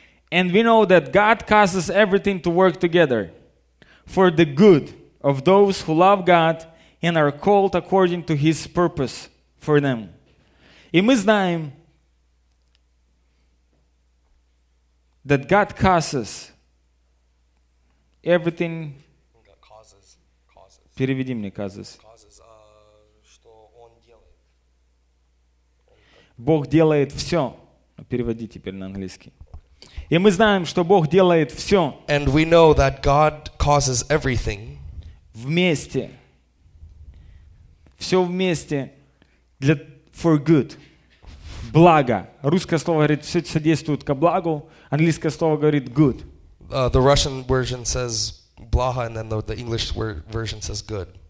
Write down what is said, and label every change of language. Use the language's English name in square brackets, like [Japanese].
[English] And we know that God causes everything to work together for the good of those who love God and are called according to His purpose for them. [Russian] И мы знаем, [English] that God causes everything. Causes. [Russian] Переведи мне causes. Causes, что он делает. Бог делает все. Переводи теперь на английский. И мы знаем, что Бог делает все. [English] And we know that God causes everything. [Russian] Вместе. Все вместе для [English] for good. [Russian] Благо. Русское слово говорит, все содействует ко благу. Английское слово говорит good. [English] The Russian version says blaha, and then the English word version says good.